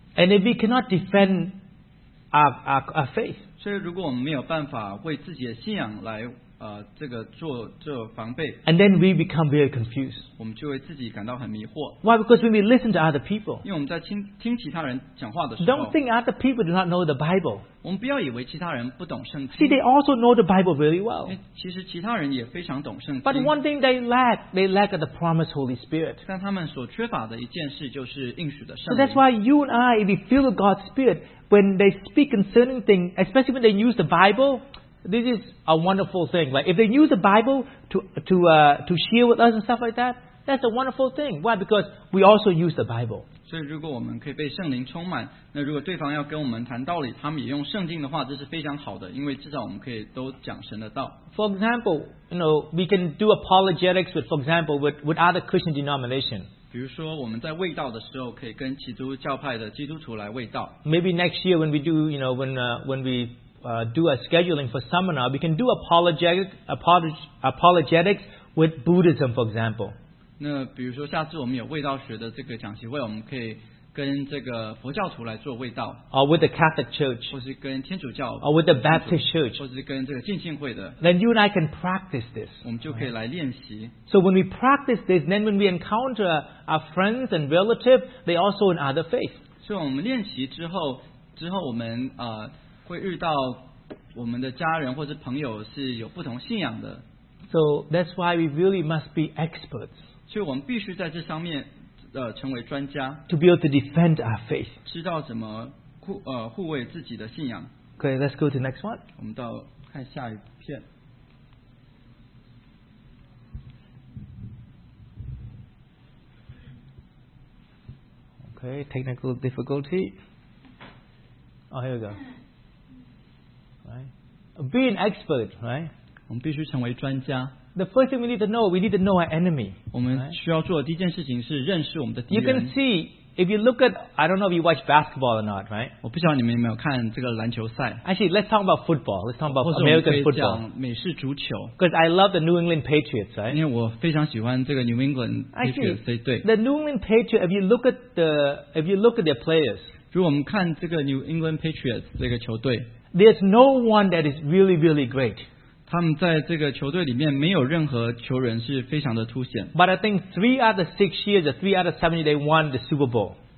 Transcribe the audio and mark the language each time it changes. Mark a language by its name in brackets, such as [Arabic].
[English] And if we cannot defend our faith, [Chinese] 所以如果我们没有办法为自己的信仰来, 这个做防备, [English] and then we become very confused. [Chinese] 我们就会自己感到很迷惑。 [English] Why? Because when we listen to other people, [Chinese] 因为我们在听其他人讲话的时候, [English] don't think other people do not know the Bible. [Chinese] 我们不要以为其他人不懂圣经。 [English] See, they also know the Bible really well. [Chinese] 其实其他人也非常懂圣经。 [English] But one thing they lack the promised Holy Spirit. [Chinese] 但他们所缺乏的一件事就是应许的圣灵。 [English] So that's why you and I, if we feel God's Spirit, when they speak concerning things, especially when they use the Bible, this is a wonderful thing. Like if they use the Bible to share with us and stuff like that, that's a wonderful thing. Why? Because we also use the Bible. [Chinese] 所以如果我们可以被圣灵充满, 那如果对方要跟我们谈道理, 他们也用圣经的话, 这是非常好的, 因为至少我们可以都讲神的道。 [English] For example, you know, we can do apologetics with, for example, with other Christian denominations. [Chinese] 比如说我们在卫道的时候可以跟基督教派的基督徒来卫道。 [English] Maybe next year when we do, you know, when we do a scheduling for seminar, we can do apologetics with Buddhism, for example. [Chinese] 那比如说下次我们有卫道学的这个讲习会，我们可以跟这个佛教徒来做卫道。 [English] Or with the Catholic Church. [Chinese] 或是跟天主教。 [English] Or with the Baptist Church. [Chinese] 或是跟这个浸信会的。 [English] Then you and I can practice this. [Chinese] 我们就可以来练习。 [English] So when we practice this, then when we encounter our friends and relatives, they also in other faiths. [Chinese] 所以我们练习之后，我们 会遇到我们的家人或是朋友是有不同信仰的。 [English] So that's why we really must be experts. [Chinese] 所以我们必须在这上面, 成为专家, [English] to be able to defend our faith. [Chinese] 知道怎么护, 护卫自己的信仰。 [English] Okay, let's go to the next one. [Chinese] 我们到看下一片。 [English] Okay, technical difficulty. Oh, here we go. Right. Be an expert, right? [Chinese] 我们必须成为专家。 [English] The first thing we need to know our enemy. [Chinese] 我们需要做的第一件事情是认识我们的敌人。 [English] You can see If you look at, I don't know if you watch basketball or not, right? [Chinese] 我不知道你们有没有看这个篮球赛。 [English] Actually, let's talk about football. Let's talk about American football. [Chinese] 美式足球。 [English] Because I love the New England Patriots, right? [Chinese] 因为我非常喜欢这个 New England Patriots 这队。 [English] The New England Patriots, if you look at their players, [Chinese] 如果我们看这个 New England Patriots 这个球队, [English] there's no one that is really, really great. [Chinese] 他们在这个球队里面没有任何球员是非常的凸显。 [English] But I think 3 out of 6 years, or 3 out of 7, they won the Super Bowl.